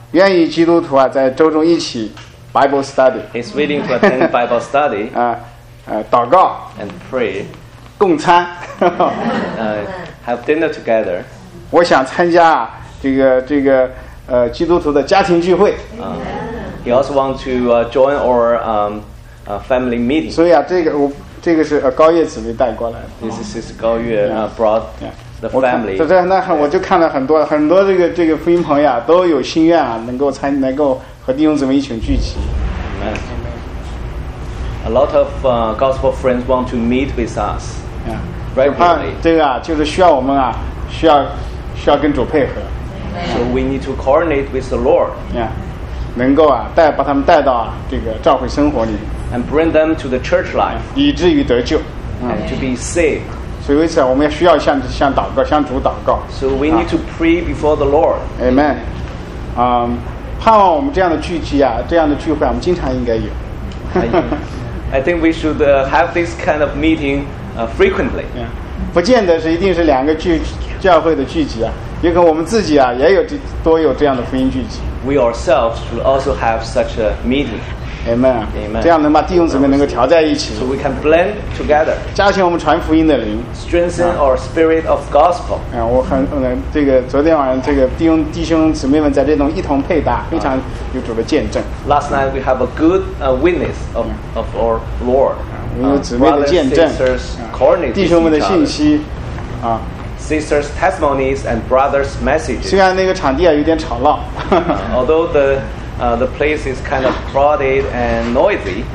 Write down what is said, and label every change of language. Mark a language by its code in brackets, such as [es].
[zh] 愿意基督徒啊，在周中一起 Bible study. [en] He's willing to attend Bible study. [zh] 祷告 [en] and pray. [zh] 共餐 [en] have dinner together. [zh] 我想参加啊，这个基督徒的家庭聚会。 [en] He also want to join our family meeting. [zh] 所以啊，这个是高月姊妹带过来的。 [en] This is 高月brought. The family. [zh] 对，那我就看了很多这个福音朋友啊，都有心愿啊，能够和弟兄姊妹一起聚集。 [en] A lot of gospel friends want to meet with us. Yeah, regularly. [zh] 这个啊，就是需要我们啊，需要跟主配合。 [en] So we need to coordinate with the Lord. [zh] Yeah, 能够啊把他们带到啊这个教会生活里。 [en] And bring them to the church life. [zh] 以至于得救。 [en] And to be saved. [zh] 所以我们需要向祷告，向主祷告。 [en] So we need to pray before the Lord. Amen. [zh] 盼望我们这样的聚集啊，这样的聚会，我们经常应该有。 [en] I think we should have this kind of meeting frequently. Yeah. [zh] 不见得是一定是两个教会的聚集啊，也可能我们自己啊也有多有这样的福音聚集。 [en] We ourselves should also have such a meeting. Amen. Amen. [zh] 这样能把弟兄姊妹能够调在一起。 [en] So we can blend together. [zh] 加强我们传福音的灵。 [en] Strengthen our spirit of gospel. [zh] 我很这个昨天晚上这个弟兄姊妹们在这种一同配搭，非常有主的见证。 [en] Last night we have a good witness of our Lord. [zh] 因为姊妹的见证，弟兄们的信息， [en] Sisters' testimonies and brothers' messages. [zh] 虽然那个场地啊有点吵闹。 [en] Although the place is kind of crowded and noisy.